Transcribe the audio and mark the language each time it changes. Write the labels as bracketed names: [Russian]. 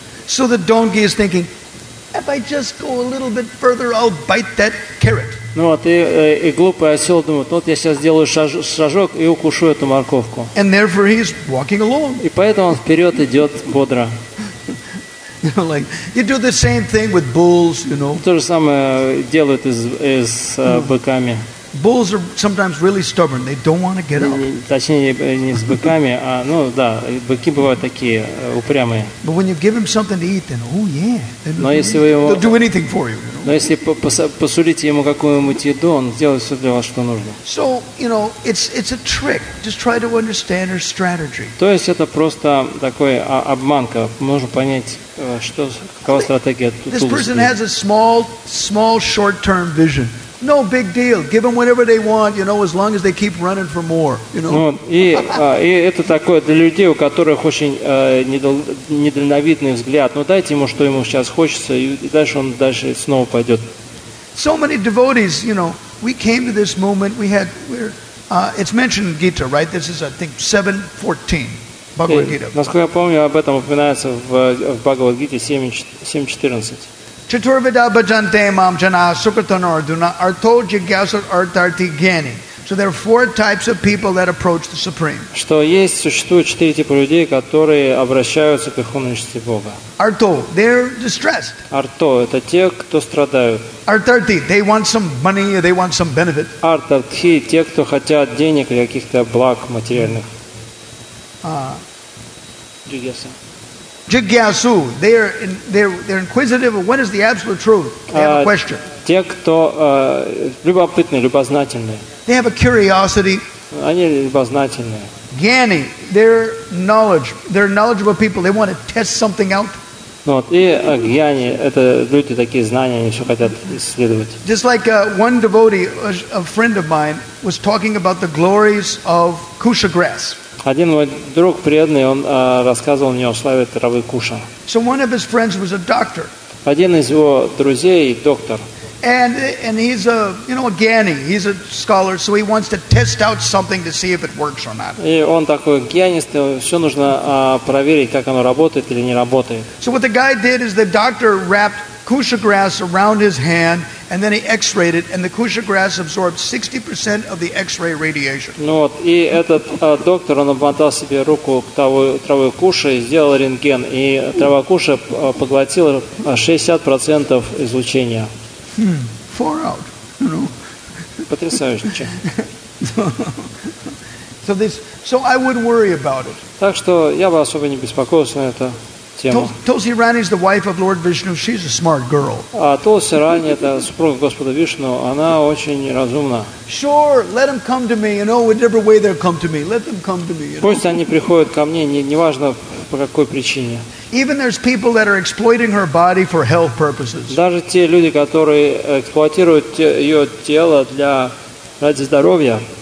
[English] So the donkey is thinking, if I just go a little bit further, I'll bite that carrot. [Russian] Ну вот, и глупый осел думает, вот я сейчас сделаю шажок и укушу эту морковку. [English] And therefore he's walking along. [Russian] И поэтому он вперед идет бодро. [English] You know, like, you do the same thing with bulls, you know. [Russian] То же самое делают из быками. [English] Bulls are sometimes really stubborn. They don't want to get up. [Russian] Точнее, не с быками, а, ну да, быки бывают такие упрямые. [English] But when you give them something to eat, then oh yeah, they'll do anything for you. [Russian] Но если посулите ему какую-нибудь еду, он сделает все для вас, что нужно. [English] So you know, it's a trick. Just try to understand her strategy. [Russian] То есть это просто такой обманка. Можно понять, что какова стратегия тут. [English] This person has a small short-term vision. No big deal. Give them whatever they want, you know, as long as they keep running for more, you know. [Russian] Ну, и это такое для людей, у которых очень недальновидный взгляд. Ну, дайте ему, что ему сейчас хочется, и дальше он дальше снова пойдет. [English] So many devotees, you know, we came to this moment, it's mentioned in Gita, right? This is, I think, 7:14. Bhagavad Gita. [Russian] Насколько я помню, об этом упоминается в Bhagavad Gita 7:14. [Sanskrit] Chaturvida bhajante mam jana sukratanor duna artho jigyasar artharti gyani [English] So there are four types of people that approach the Supreme. [Russian] Что есть, существует четыре типа людей, которые обращаются к Верховной Личности Бога. [English] Арто, they're distressed. [Russian] Арто, это те, кто страдают. [English] Артарти, they want some money, or they want some benefit. [Russian] Артарти, те, кто хотят денег или каких-то благ материальных. [English] Джигьяса. Джигьясу, they're inquisitive. What is the absolute truth? They have a question. [Russian] Те, кто любопытные, любознательные. [English] They have a curiosity. [Russian] Они любознательные. [English] Gyani, they're knowledgeable people. They want to test something out. [Russian] Вот и гьяни, это люди такие знания, они все хотят исследовать. [English] Just like one devotee, a friend of mine, was talking about the glories of kusha grass. [Russian] Один мой друг преданный, он рассказывал мне о славе травы куша. [English] So one of his friends was a doctor. [Russian] Один из его друзей доктор. [English] And he's a, you know, a gyani. He's a scholar, so he wants to test out something to see if it works or not. [Russian] И он такой гьянист, все нужно проверить, как оно работает или не работает. [English] So what the guy did is the doctor wrapped kusha grass around his hand, and then he x-rayed it, and the kusha grass absorbed 60% of the x-ray radiation. [Russian] Ну вот, и этот доктор, он обмотал себе руку травой куша и сделал рентген, и трава куша поглотила 60% излучения. [English] Four out. [Russian] Потрясающе. [English] So I wouldn't worry about it. [Russian] Так что я бы особо не беспокоился на эту тему. [English] Tulsi Rani is the wife of Lord Vishnu. She's a smart girl. [Russian] А Тулси Рани это супруга Господа Вишну. Она очень разумна. [English] Sure, let them come to me. You know, whatever way they come to me, let them come to me. [Russian] Пусть они приходят ко мне, неважно по какой причине. [English] Even there's people that are exploiting her body for health purposes. [Russian] Даже те люди, которые эксплуатируют ее тело для ради здоровья.